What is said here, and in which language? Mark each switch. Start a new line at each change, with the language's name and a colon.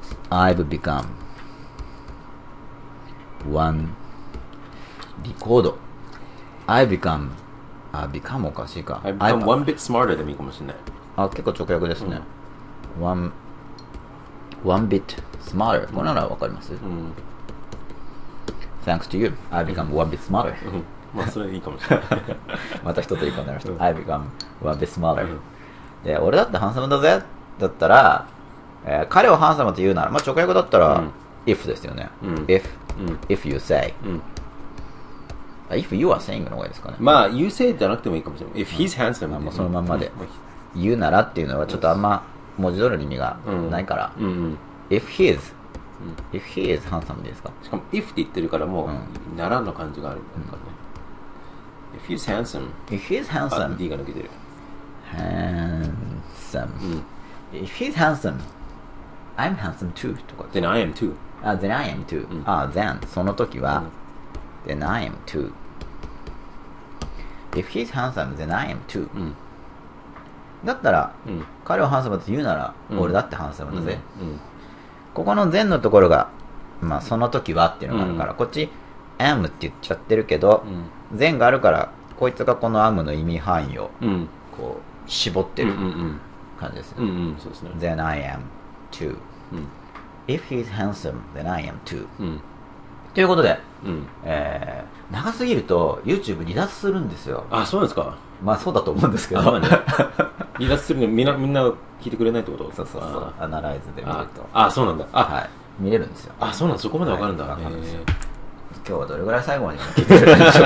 English: うん、I've become one record。 I become、 あ、become
Japanese: おかしいか、
English: I become one bit smarter
Japanese: でもいいかもしれない、あ、結構直訳ですね、うん、
English: one bit smarter、
Japanese: これならわかります、うん、
English: Thanks to you I become one bit smarter、
Japanese: うん、まあそれいいかもしれないまた一つ言い方になりました、うん、
English: I become one bit smarter、
Japanese: うん、で俺だってハンサムだぜだったら、彼をハンサムと言うなら、まあ、直訳だったら、うん、if ですよね、うん、
English: if、
Japanese: うん、
English: if you say、
Japanese: うん、
English: If you are saying
Japanese: の方がいいですかね、まあ
English: You say
Japanese: じゃなくてもいいかもしれない、
English: If he's handsome、
Japanese: うん、まあ、もうそのまんまで、うん、言うならっていうのはちょっとあんま文字通りの意味がないから、うんうんうん、
English: If he is、うん、If he is handsome
Japanese: でいいですか、しかも If って言ってるからもう、うん、ならの感じがあるんだからね、うん、
English: If he's handsome、 If he's handsome、
Japanese: D が抜けてる、
English: Handsome、
Japanese: うん、
English: If he's handsome I'm handsome too
Japanese: とか、
English: Then I am too、 Then I am too、 Then
Japanese: その時は、
English: うん、Then I am too. If he's handsome, then I am too.、
Japanese: うん、だったら、うん、彼をハンサムと言うなら、うん、俺だってハンサムだぜ、うんうん。ここの then のところが、まあ、その時はっていうのがあるから、うん、こっち、am って言っちゃってるけど、うん、 then があるから、こいつがこの am の意味範囲を、うん、こう、絞ってる感じですね。
English: Then I am too.、
Japanese: うん、
English: If he's handsome, then I am too.、
Japanese: うん、ということで、うん、長すぎると YouTube 離脱するんですよ。あ、そうですか。まあそうだと思うんですけど、ね、離脱するのみんな聞いてくれないってこと。そうそうそう、アナライズで見るとあそうなんだ、あ、はい、見れるんですよ。あ、そうなんだ、そこまでわかるんだ、はい、今日はどれぐらい最後まで聞いてくれるんでしょう